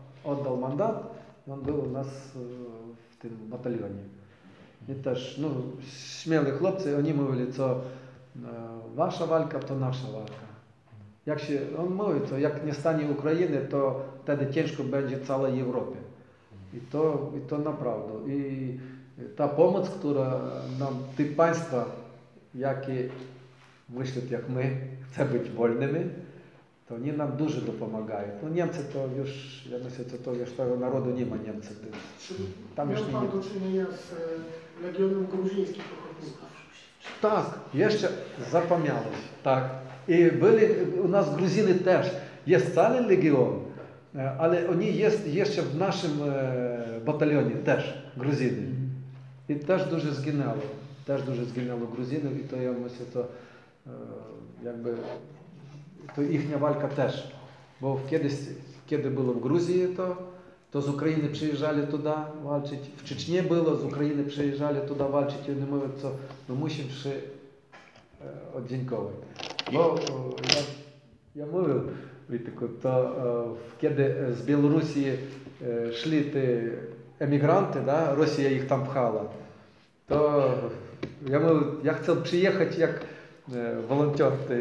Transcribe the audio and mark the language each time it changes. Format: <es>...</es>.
<uk>Отдав мандат, він був у нас в тим батальйоні. І теж, ну, смілі хлопці, вони мовили, що ваша валька, то наша валька. Якщо, він мовить, що як не стане України, то тоді тяжко буде цілій Європі.</uk> <pl>I to naprawdę. I ta pomoc, która nam ty państwa, jakie myślą jak my, chce być wolnymi, to oni nam dużo dopomagają. No Niemcy to już, ja myślę, że to już tego narodu nie ma Niemcy. Czy tam miał pan do czynienia z Legionem Gruzińskich Ochotników? Tak, jeszcze zapomniałeś, tak. I byli u nas Gruziny też. Jest cały Legion, ale oni jest jeszcze w naszym batalionie też, Gruziny. I też dużo zginęło. Też dużo zginęło Gruzinów i to ja myślę, to jakby to ichnia walka też. Bo kiedyś, kiedy było w Gruzji, to z Ukrainy przyjeżdżali туда walczyć. W Czeczni było, z Ukrainy przyjeżdżali туда walczyć. I oni mówią, co, no musimy się oddziękować. Bo ja mówię,</pl> <uk>Вітику, то коли з Білорусі йшли ті емігранти, да, Росія їх там пхала, то я хотів приїхати як волонтер.</uk>